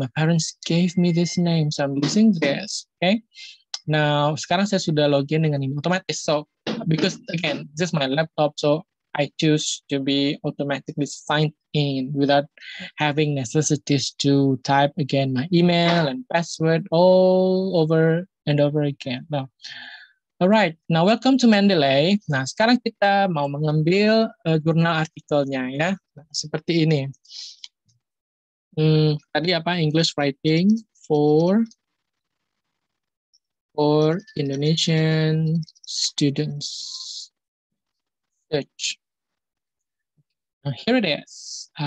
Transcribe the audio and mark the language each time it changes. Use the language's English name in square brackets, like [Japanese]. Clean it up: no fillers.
[English] My parents gave me this name, so I'm using this, okay. [Indonesian] Now sekarang saya sudah login dengan ini otomatis. [English] So because again, this is my laptop, so I choose to be automatically signed in without having necessities to type again my email and password all over and over again. Now, all right. Now, welcome to Mendeley. [Indonesian] Nah, sekarang kita mau mengambil jurnal artikelnya ya. Nah, seperti ini. Tadi apa? [English] English writing for Indonesian students. Search. Here it is.